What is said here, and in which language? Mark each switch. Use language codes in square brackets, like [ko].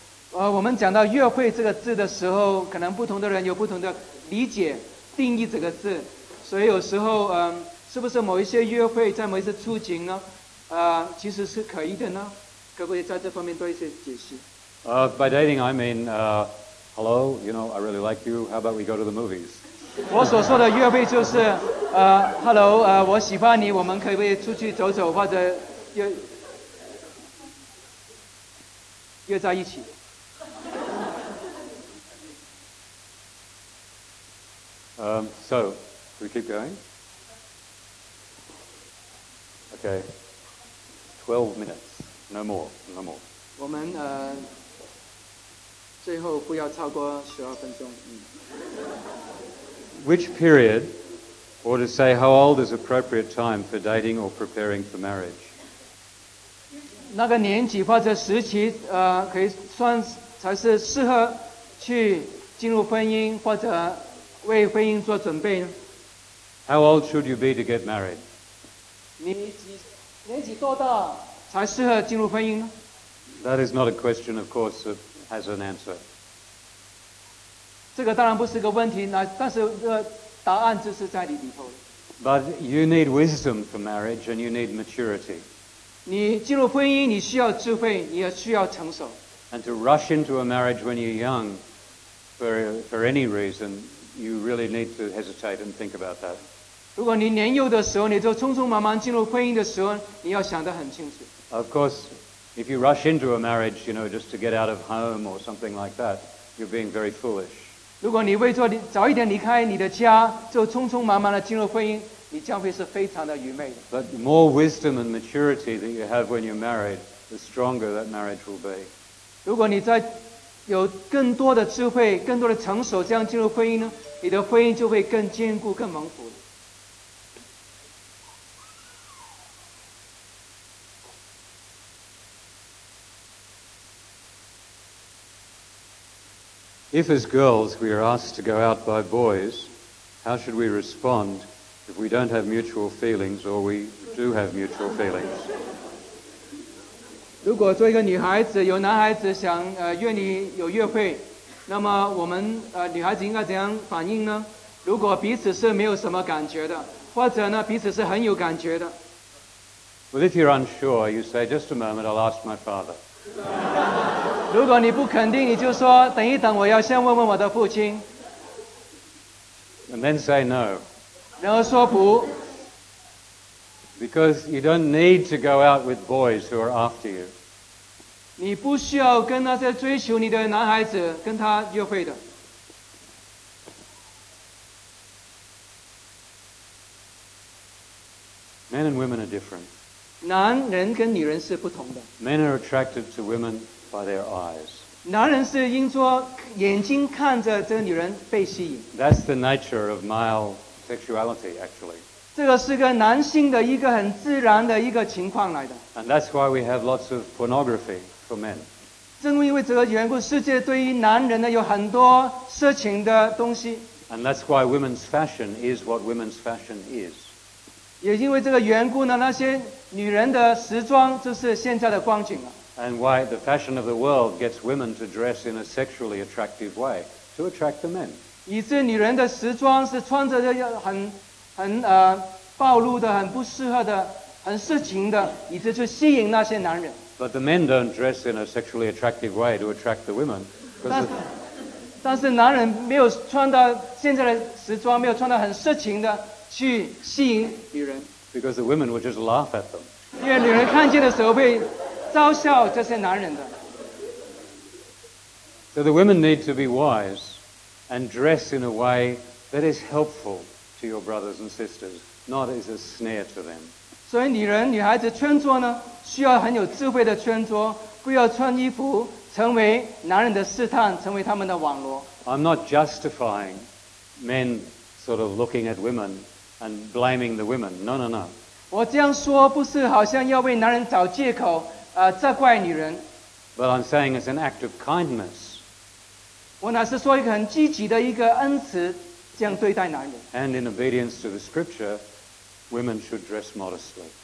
[zh] 我们讲到约会这个字的时候，可能不同的人有不同的理解定义这个字，所以有时候是不是某一些约会在某一些处境呢其实是可以的呢？可不可以在这方面多一些解释？ [en] By dating I mean hello, you know, I really like you, how about we go to the movies? [zh] 我所说的约会就是hello, 我喜欢你，我们可不可以出去走走，或者约在一起。 [en] So, can we keep going? Okay. 12 minutes. No more. No more. [zh] 我们最后不要超过12分钟。 [en] Which period Or to say how old is appropriate time for dating or preparing for marriage. [zh] 那个年纪或者时期，可以算才是适合去进入婚姻或者为婚姻做准备呢？ [en] How old should you be to get married? [zh] 你年纪多大才适合进入婚姻呢？ [en] That is not a question, of course, that has an answer. [zh] 这个当然不是个问题，但是这个答案就是在里头。 [en] But you need wisdom for marriage and you need maturity. [zh] 你进入婚姻，你需要智慧，你也需要成熟。 [en] And to rush into a marriage when you're young, for any reason, you really need to hesitate and think about that. [zh] 如果你年幼的时候，你就匆匆忙忙进入婚姻的时候，你要想得很清楚。 [en] Of course, if you rush into a marriage, you know, just to get out of home or something like that, you're being very foolish. [zh] 如果你为做早一点离开你的家，就匆匆忙忙地进入婚姻。你将会是非常的愚昧的。 [en] But the more wisdom and maturity that you have when you're married, the stronger that marriage will be. [zh] 如果你在有更多的智慧、更多的成熟，这样进入婚姻呢，你的婚姻就会更坚固、更蒙福。 [en] If as girls we are asked to go out by boys, how should we respond? If we don't have mutual feelings, or we do have mutual feelings. [zh] 如果做一个女孩子，有男孩子想约你有约会，那么我们女孩子应该怎样反应呢？如果彼此是没有什么感觉的，或者呢彼此是很有感觉的。 [en] Well, if you're unsure, you say, "Just a moment, I'll ask my father." [zh] 如果你不肯定，你就说等一等，我要先问问我的父亲。 [en] And then say no. [zh] 然后说不 [en] Because you don't need to go out with boys who are after you. [zh] 你不需要跟那些追求你的男孩子跟他约会的。 [en] Men and women are different. [zh] 男人跟女人是不同的。 [en] Men are attracted to women by their eyes. [zh] 男人是因着眼睛看着这个女人被吸引。 [en] That's the nature of male. Sexuality, actually. [zh] 这个是个男性的一个很自然的一个情况来的。 [en] And that's why we have lots of pornography for men. [zh] 正因为这个缘故，世界对于男人呢有很多色情的东西。 [en] And that's why women's fashion is what women's fashion is. [zh] 也因为这个缘故呢，那些女人的时装就是现在的光景了。 [en] And why the fashion of the world gets women to dress in a sexually attractive way to attract the men. [zh] 以致女人的时装是穿着的很暴露的很不适合的很色情的以致就吸引那些男人 [en] But the men don't dress in a sexually attractive way to attract the women [zh] 但是男人没有穿到现在的时装没有穿到很色情的去吸引女人 [en] Because the women would just laugh at them [zh] 因为女人看见的时候会嘲笑这些男人的 [en] So the women need to be wiseAnd dress in a way that is helpful to your brothers and sisters, not as a snare to them. [zh] 所以女人、女孩子穿着呢，需要很有智慧的穿着，不要穿衣服成为男人的试探，成为他们的网罗。 [en] I'm not justifying men sort of looking at women and blaming the women. No, no, no. [zh] 我这样说不是好像要为男人找借口，责怪女人。 [en] But I'm saying it's an act of kindness. [zh] 我乃是说一个很积极的一个恩慈，这样对待男人。 [en] And in obedience to the scripture, women should dress modestly.